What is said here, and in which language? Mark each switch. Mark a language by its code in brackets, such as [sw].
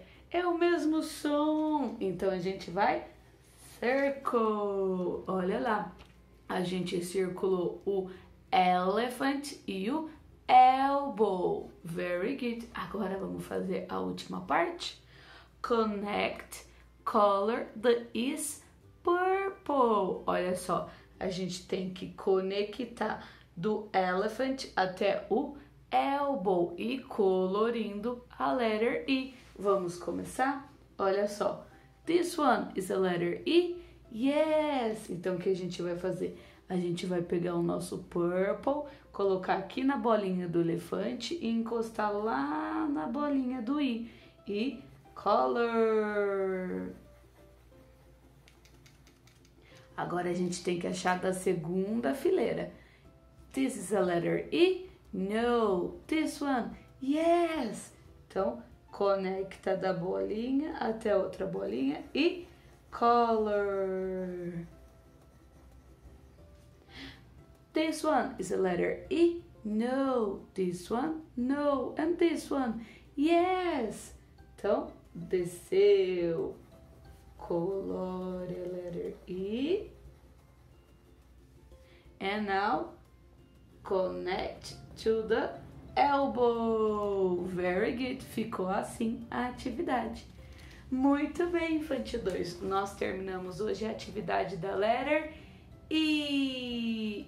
[pt] É o mesmo som. Então a gente vai circle. Olha lá, a gente circulou o elephant e o elbow. [en] Very good. [pt] Agora vamos fazer a última parte. [en] Connect color the is purple. [pt] Olha só, a gente tem que conectar do elephant até o elbow e colorindo a letter E. Vamos começar? Olha só, [en] this one is a letter E. Yes! [pt] Então o que a gente vai fazer? A gente vai pegar o nosso purple, colocar aqui na bolinha do elefante e encostar lá na bolinha do I. E color. Agora a gente tem que achar da segunda fileira. [en] This is a letter E. No, this one, yes. [pt] Então, conecta da bolinha até outra bolinha e color. [en] This one is a letter E. No, this one, no. And this one, yes. [pt] Então, desceu. Colore a letter E. [en] And now, connect to the elbow. Very good. [pt] Ficou assim a atividade. Muito bem, Infantil 2. Nós terminamos hoje a atividade da letter E.